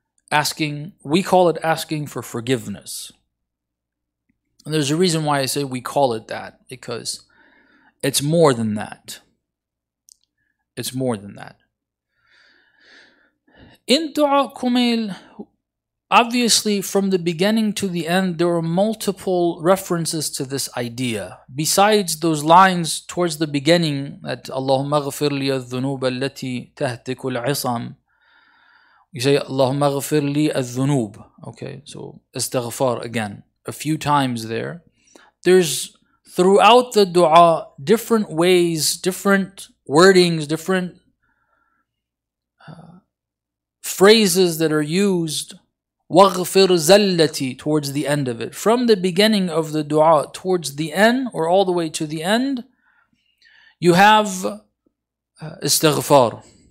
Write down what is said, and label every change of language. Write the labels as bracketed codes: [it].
[en] Asking, we call it asking for forgiveness. And there's a reason why I say we call it that, because it's more than that. It's more than that. In Dua Kumail, obviously from the beginning to the end, there are multiple references to this idea. Besides those lines towards the beginning, that [ar] اللهم اغفر لي الذنوب التي تهتك العصام, [en] you say [ar] اللهم اغفر لي الذنوب. [en] Okay, so استغفار again, a few times there. There's throughout the dua different ways, different wordings, different phrases that are used. [ar] وَغْفِرْ زَلَّتِي, [en] towards the end of it. From the beginning of the dua, towards the end, or all the way to the end, you have istighfar.